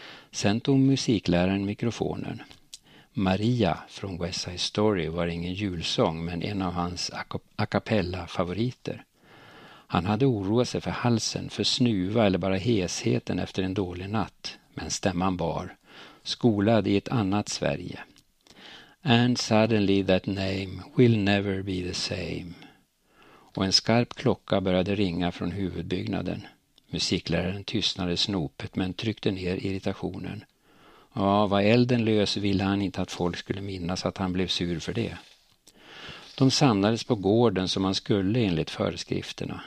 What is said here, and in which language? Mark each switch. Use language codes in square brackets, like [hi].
[sv] Sen tog musikläraren mikrofonen. Maria från West Side Story var ingen julsång men en av hans a cappella favoriter. Han hade oroat sig för halsen, för snuva eller bara hesheten efter en dålig natt. Men stämman bar. Skolad i ett annat Sverige. [en] And suddenly that name will never be the same. [sv] Och en skarp klocka började ringa från huvudbyggnaden. Musikläraren tystnade snopet men tryckte ner irritationen. Ja, var elden lös ville han inte att folk skulle minnas att han blev sur för det. De samlades på gården som man skulle enligt föreskrifterna.